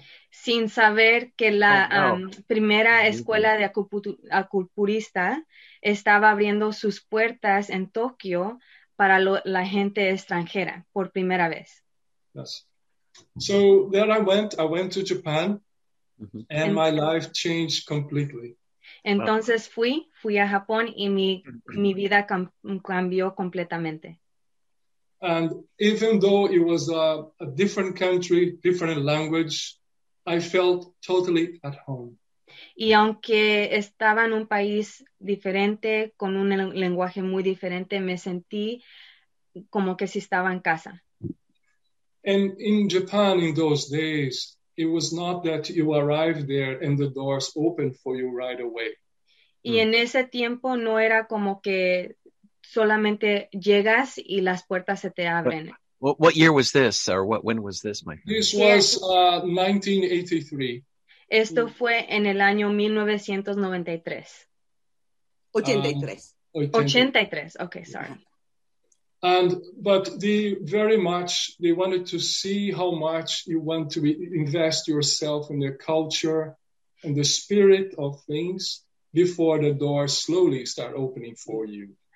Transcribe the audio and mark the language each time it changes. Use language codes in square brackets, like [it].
[es] Sin saber que la primera escuela de acupunturista estaba abriendo sus puertas en Tokio para la gente extranjera por primera vez. [en] Yes. So there I went to Japan. Mm-hmm. And my life changed completely. [es] Entonces fui a Japón y mi vida cambió completamente. [en] And even though it was a different country, different language, I felt totally at home. [es] Y aunque estaba en un país diferente, con un lenguaje muy diferente, me sentí como que si estaba en casa. [en] And in Japan in those days, it was not that you arrived there and the doors opened for you right away. [es] Y en ese tiempo no era como que solamente llegas y las puertas se te abren. [en] What year was this, or when was this, my friend? This was 1983. [es] Esto fue en el año 1993. [en] 83. Okay, sorry. But they very much, they wanted to see how much you want to invest yourself in their culture and the spirit of things before the doors slowly start opening for you.